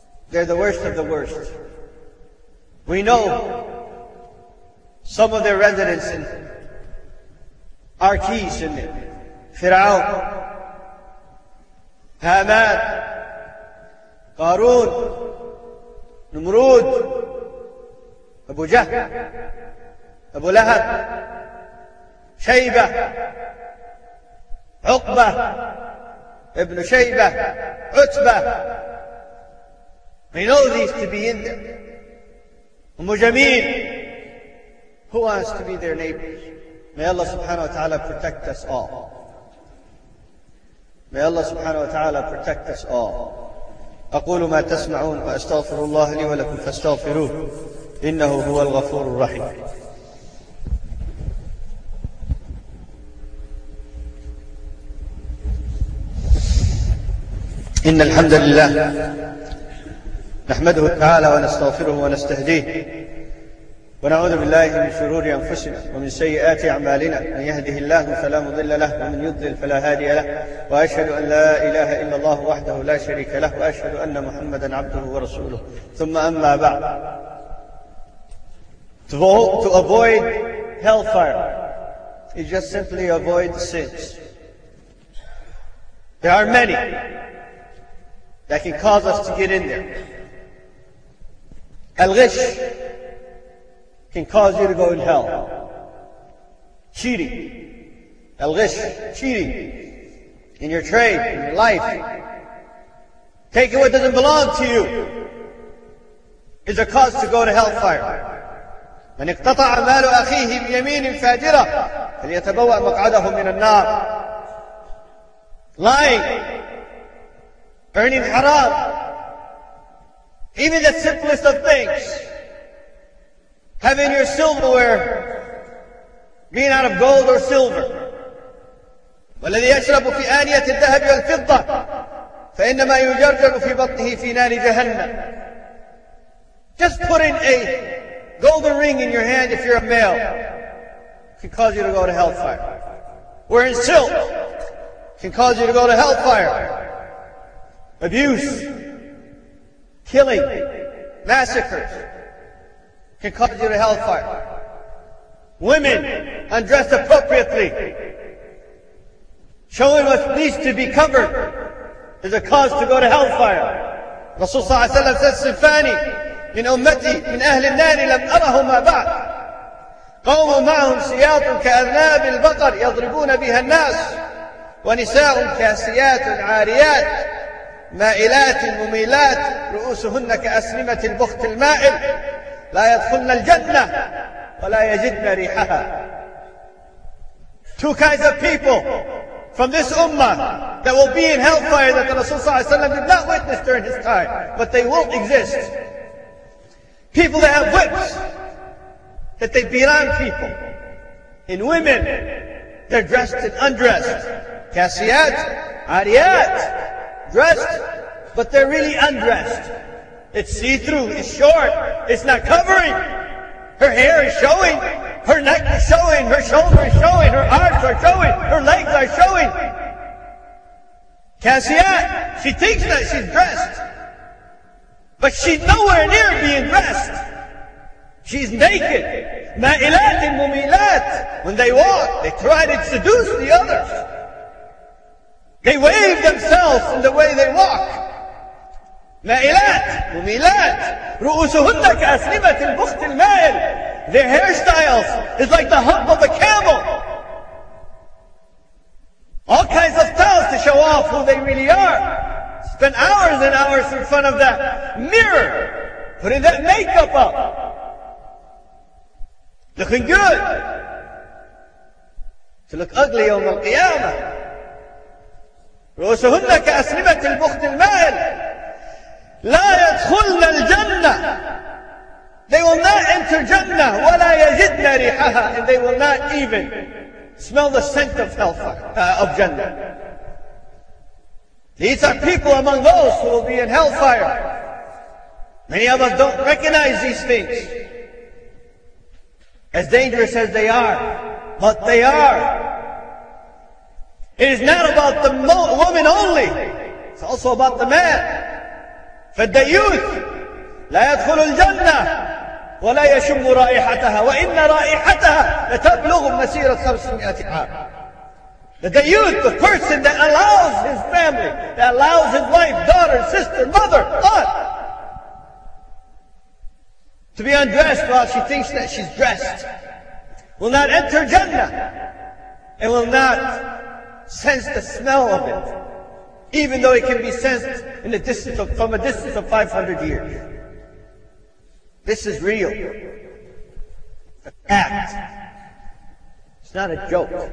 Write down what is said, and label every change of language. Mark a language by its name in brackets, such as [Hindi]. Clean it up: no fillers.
[English] They're the worst of the worst. We know some of their residents in Arkis and Fir'aun, Haman, Qarun, Numrud, Abu Jahl, [Arabic] أبو لهب، شيبة، عقبة ابن شيبة، عتبة، من أوذي استبيين هم جميل. [English] Who wants to be their neighbors? May Allah [Arabic] subhanahu wa ta'ala [English] protect us all. May Allah subhanahu wa ta'ala protect us all. [Arabic] أقول ما تسمعون وأستغفر الله لي ولكم فاستغفروه إنه هو الغفور الرحيم. إن الحمد لله نحمده تعالى ونستغفره ونستهديه ونعوذ بالله من شرور أنفسنا ومن سيئات أعمالنا، من يهده الله فلا مضل له ومن يضلل فلا هادي له، وأشهد أن لا إله إلا الله وحده لا شريك له، وأشهد أن محمدا عبده ورسوله. ثم أما بعد، [English] to avoid hellfire is just simply avoid the sins. There are many that can cause us to get in there. Al-ghish can cause you to go in hell. Cheating. Al-ghish, cheating. In your trade, in your life. Taking what doesn't belong to you is a cause to go to hellfire. [Arabic] من اقتطع مال أخيه بيمين فاجرة فليتبوأ مقعده من النار. [English] Lying. Earning haram. Even the simplest of things. Having your silverware being out of gold or silver. [Arabic] وَالَّذِي يَشْرَبُ فِي آنِيَةِ الذَّهَبِ وَالْفِضَّةِ فَإِنَّمَا يُجَرْجَرُ فِي بَطْنِهِ فِي نَارِ جَهَنَّمَ. [English] Just putting a golden ring in your hand if you're a male can cause you to go to hellfire. Wearing silk can cause you to go to hellfire. Abuse, killing, massacres can cause you to hellfire. Women undressed appropriately, showing what needs to be covered, is a cause to go to hellfire. [Arabic] Rasul صلى الله عليه وسلم says, "Sifani min ummati min أهل النار لم أرهما بعد قوم معهم سياط كأذناب البقر يضربون بها الناس ونساء كاسيات عاريات مائلات مميلات رؤوسهن كأسنمة البخت المائل لا يدخلن الجنة ولا يجدن ريحها." [English] Two kinds of people from this ummah that will be in hellfire that the Rasul [Arabic] صلى الله عليه وسلم [English] did not witness during his time, but they will exist. People that have whips that they beat on people. In women, they're dressed and undressed. [Arabic] كاسيات عاريات, [English] dressed, but they're really undressed. It's see-through, it's short, it's not covering. Her hair is showing, her neck is showing, her shoulder is showing, her arms are showing, her legs are showing. Cassiat, she thinks that she's dressed, but she's nowhere near being dressed. She's naked. Ma'ilat and mumilat, when they walk, they try to seduce the others. They wave themselves in the way they walk. [Arabic] مائلات مميلات رؤوسهن كأسنمة البخت المائل. [English] Their hairstyles is like the hump of a camel. All kinds of styles to show off who they really are. Spend hours and hours in front of that mirror, putting that makeup up, looking good, to look ugly [Arabic] يوم القيامة. رؤوسهن كأسنمة البخت المائل لا يدخلن الجنة. [English] They will not enter Jannah. [Arabic] ولا يجدن ريحها. [English] And they will not even smell the scent of hellfire, of Jannah. These are people among those who will be in hellfire. Many of us don't recognize these things, as dangerous as they are, but they are. It is not about the woman only. It's also about the man. [Arabic] فالديوث لا يدخل الجنة ولا يشم رائحتها وإن رائحتها لتبلغ مسيرة 500 عام. [English] The ديوث, the person that allows his family, that allows his wife, daughter, sister, mother, aunt, to be undressed while she thinks that she's dressed. will not enter Jannah and will not sense the smell of it, even though it can be sensed in a distance of, from a distance of 500 years. This is real. A fact. It's not a joke.